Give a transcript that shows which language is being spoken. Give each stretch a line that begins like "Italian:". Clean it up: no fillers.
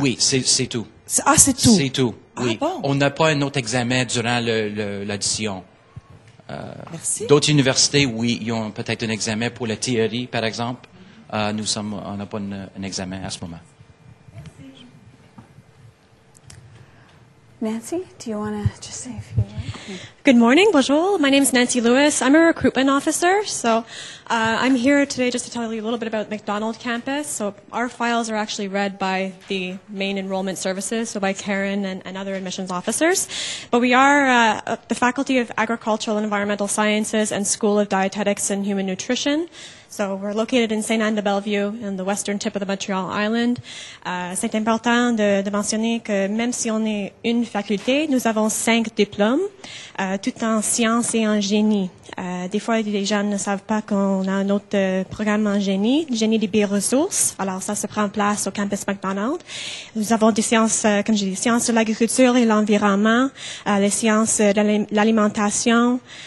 French: Oui, c'est tout. C'est tout? C'est tout, ah, oui. Bon. On n'a pas un autre examen durant l'audition. Merci. D'autres universités, oui, ils ont peut-être un examen pour la théorie, par exemple. Nous sommes, on n'a pas un examen à ce moment.
English: Nancy, do you want to just say a few words? Good morning. Bonjour. My name is Nancy Lewis. I'm a recruitment officer, so I'm here today just to tell you a little bit about McDonald campus. So our files are actually read by the main enrollment services, so by Karen and other admissions officers. But we are the Faculty of Agricultural and Environmental Sciences and School of Dietetics and Human Nutrition. So we're located in Saint-Anne de Bellevue, in the western tip of the Montreal Island.
French: C'est important de mentionner que même si on est une faculté, nous avons cinq diplômes, tout en sciences et en génie. Des fois, les gens ne savent pas qu'on a un autre programme en génie, génie des bioressources. Alors ça se prend place au campus McDonald. Nous avons des sciences, comme j'ai dit, sciences de l'agriculture et l'environnement, les sciences de l'alimentation.